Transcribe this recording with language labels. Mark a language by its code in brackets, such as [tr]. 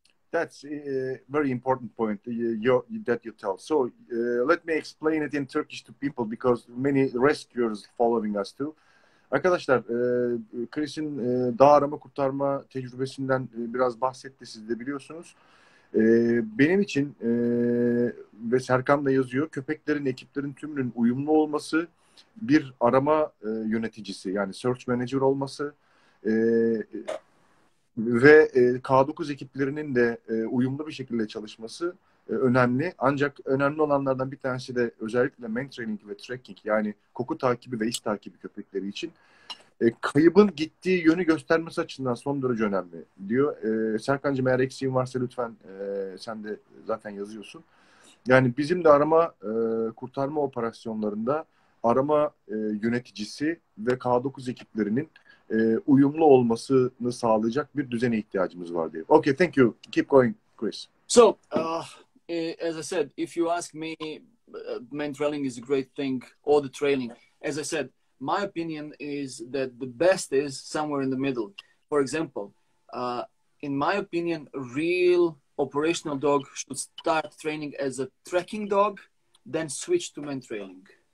[en] That's a very important point that you tell. So let me explain it in Turkish to people, because many rescuers following us too. [tr] Arkadaşlar, Chris'in dağ arama kurtarma tecrübesinden biraz bahsetti, siz de biliyorsunuz. Benim için ve Serkan da yazıyor, köpeklerin, ekiplerin tümünün uyumlu olması, bir arama yöneticisi yani search manager olması ve K9 ekiplerinin de uyumlu bir şekilde çalışması önemli. Ancak önemli olanlardan bir tanesi de özellikle mantrailing ve tracking, yani koku takibi ve iz takibi köpekleri için kayıbın gittiği yönü göstermesi açısından son derece önemli diyor. Serkan'cığım, eğer eksiğin varsa lütfen, sen de zaten yazıyorsun. Yani bizim de arama kurtarma operasyonlarında arama yöneticisi ve K9 ekiplerinin uyumlu olmasını sağlayacak bir düzene ihtiyacımız var diye. [en] Okay, thank you. Keep going, Chris. So, as I said, if you ask me, man trailing is a great thing, or the trailing. As I said, my opinion is that the best is somewhere in the middle. For example, in my opinion, a real operational dog should start training as a tracking dog, then switch to man trailing.